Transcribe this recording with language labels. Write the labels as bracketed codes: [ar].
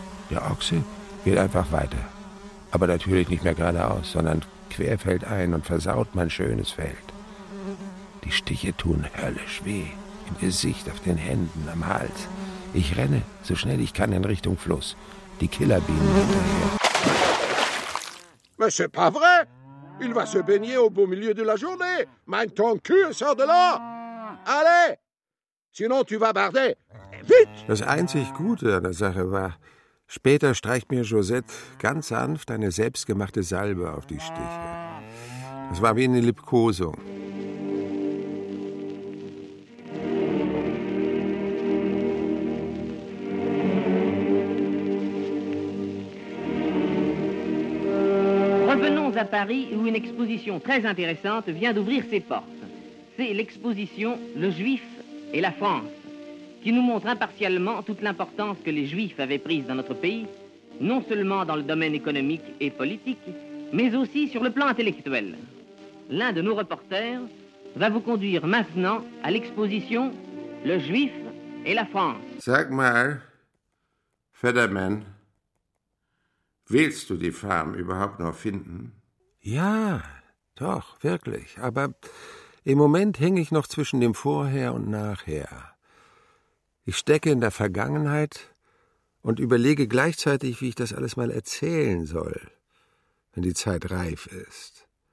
[de] Der Ochse geht einfach weiter, aber natürlich nicht mehr geradeaus, sondern querfeldein und versaut mein schönes Feld. Die Stiche tun höllisch weh. Im Gesicht, auf den Händen, am Hals. Ich renne, so schnell ich kann, in Richtung Fluss. Die Killerbienen hinterher. [fr] Mais c'est pas vrai! Il va se baigner au beau milieu de la journée! Mein ton cul sort de là! Allez! Sinon tu vas barder! Vite! [de] Das einzig Gute an der Sache war, später streicht mir Josette ganz sanft eine selbstgemachte Salbe auf die Stiche. Das war wie eine Liebkosung. [fr] À Paris, où une exposition très intéressante vient d'ouvrir ses portes. c'est l'exposition « Le Juif et la France » qui nous montre impartialement toute l'importance que les Juifs avaient prise dans notre pays, non seulement dans le domaine économique et politique, mais aussi sur le plan intellectuel. L'un de nos reporters va vous conduire maintenant à l'exposition « Le Juif et la France ». [de] Sag mal, Federman, willst du die Farm überhaupt noch finden? Ja, doch, wirklich. Aber im Moment hänge ich noch zwischen dem Vorher und Nachher. Ich stecke in der Vergangenheit und überlege gleichzeitig, wie ich das alles mal erzählen soll, wenn die Zeit reif ist.